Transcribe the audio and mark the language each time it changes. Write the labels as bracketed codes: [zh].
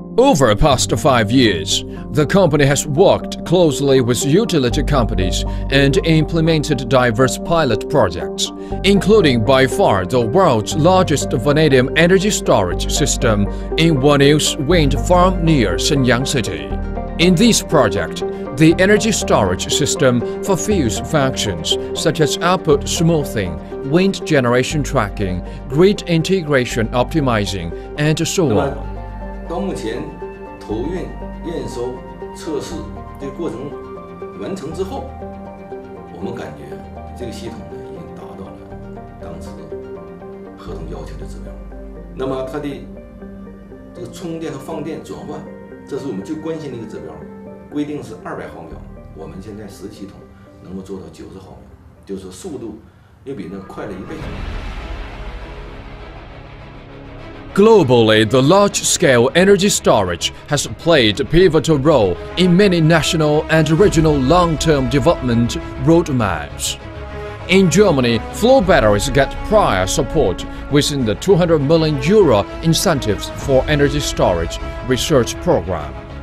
[en] Over the past 5 years, the company has worked closely with utility companies and implemented diverse pilot projects, including by far the world's largest vanadium energy storage system in Wanyu's wind farm near Shenyang City. In this project,The energy storage system fulfills functions such as output smoothing, wind generation tracking, grid integration optimizing, and so on. [zh] 到目前投运、验收、测试这个过程完成之后，我们感觉这个系统呢已经达到了当时合同要求的质量。那么它的这个充电和放电转换，这是我们最关心的一个指标。规定是200毫秒，我们现在实系统能够做到90毫秒，就是速度又比那快了一倍。 [en] Globally, the large-scale energy storage has played a pivotal role in many national and regional long-term development roadmaps. In Germany, flow batteries get prior support within the 200 million euro incentives for energy storage research program.